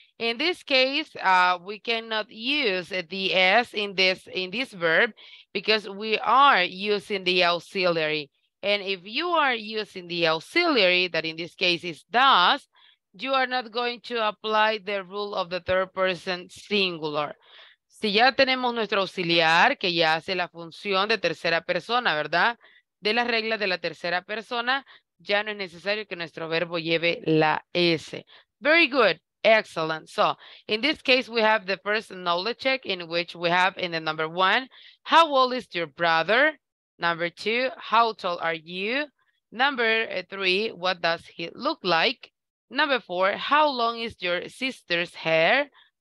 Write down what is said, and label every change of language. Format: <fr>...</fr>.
<en>In this case, we cannot use the S in this verb because we are using the auxiliary. And if you are using the auxiliary, that in this case is does, you are not going to apply the rule of the third person singular.</en> <es>Si ya tenemos nuestro auxiliar que ya hace la función de tercera persona, ¿verdad? De las reglas de la tercera persona, ya no es necesario que nuestro verbo lleve la S.</es> <en>Very good. Excellent. So, in this case, we have the first knowledge check in which we have in the number one, how old is your brother? Number two, how tall are you? Number three, what does he look like? Number four, how long is your sister's hair?</en>